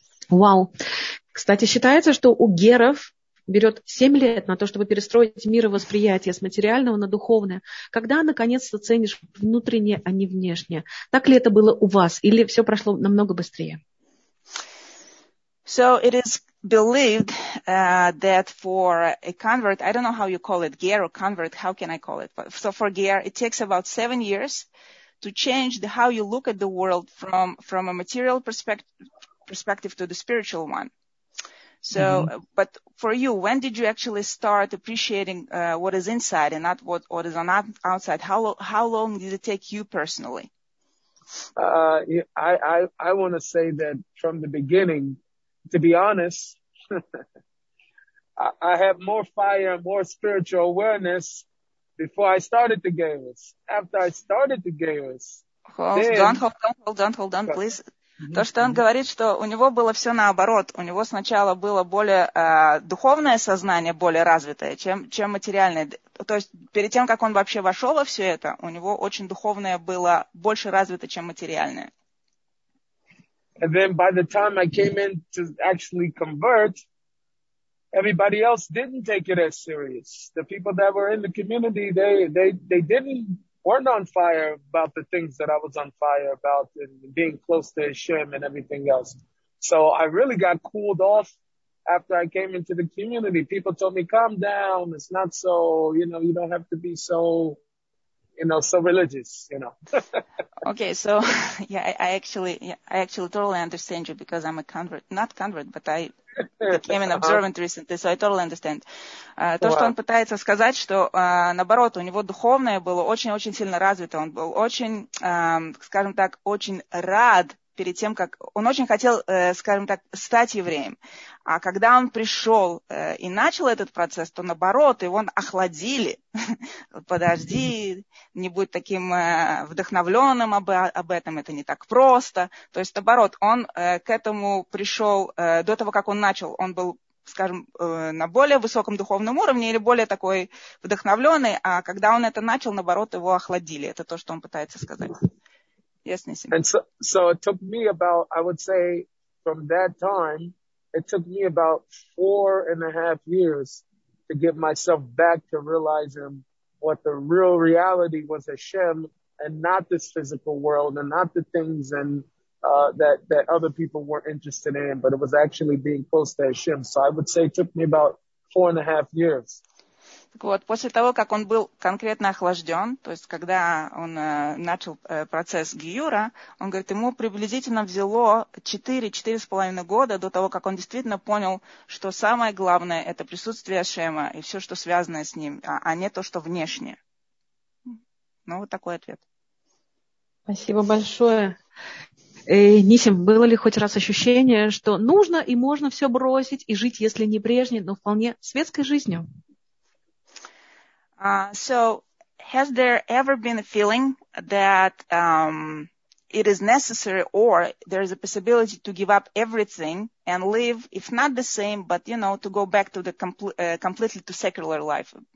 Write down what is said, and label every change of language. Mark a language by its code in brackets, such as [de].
[en] Wow. [ru] Кстати, считается, что у геров берет 7 лет на то, чтобы перестроить мировосприятие с материального на духовное. Когда наконец-то ценишь внутреннее, а не внешнее? Так ли это было у вас? Или все прошло намного быстрее? [en] So it is believed that for a convert, I don't know how you call it, ger or convert, how can I call it? So for ger, it takes about 7 years to change the, how you look at the world from a material perspective to the spiritual one. So, mm-hmm. But for you, when did you actually start appreciating what is inside and not what, what is on outside? How long did it take you personally? I want to say that from the beginning, to be honest, I have more fire and more spiritual awareness before I started the Gaius. After I started the Gaius. Hold on, please. [ru] То, что он говорит, что у него было все наоборот. У него сначала было более духовное сознание, более развитое, чем материальное. То есть перед тем, как он вообще вошел во все это, у него очень духовное было больше развито, чем материальное. [en] And then by the time I came in to actually convert, everybody else didn't take it as serious. The people that were in the community, they didn't. Weren't on fire about the things that I was on fire about and being close to Hashem and everything else. So I really got cooled off after I came into the community. People told me, calm down. It's not so, you know, you don't have to be so, you know, so religious, you know. Okay. So yeah, I actually totally understand you because I'm a convert, not convert, but I became an observant recently, so I totally understand. [ru] То, что он пытается сказать, что наоборот, у него духовное было очень-очень сильно развито. Он был очень, скажем так, очень рад перед тем, как... Он очень хотел, скажем так, стать евреем. А когда он пришел и начал этот процесс, то наоборот, его охладили. Подожди, не будь таким вдохновленным об этом, это не так просто. То есть, наоборот, он к этому пришел до того, как он начал. Он был, скажем, на более высоком духовном уровне или более такой вдохновленный, а когда он это начал, наоборот, его охладили. Это то, что он пытается сказать. [en] Yes, Nisim. And so it took me about, I would say, from that time, it took me about 4.5 years to get myself back to realizing what the real reality was, Hashem, and not this physical world, and not the things and that other people weren't interested in, but it was actually being close to Hashem. So I would say it took me about 4.5 years. [ru] Так вот, после того, как он был конкретно охлажден, то есть когда он начал процесс гиюра, он говорит, ему приблизительно взяло 4-4.5 года до того, как он действительно понял, что самое главное – это присутствие Шема и все, что связано с ним, а не то, что внешнее. Ну, вот такой ответ. Спасибо большое. Нисим, было ли хоть раз ощущение, что нужно и можно все бросить и жить, если не прежней, но вполне светской жизнью? [en] So, has there ever been a feeling that it is necessary or there is a possibility to give up everything and live, if not the same, but, you know, to go back to the completely to secular life?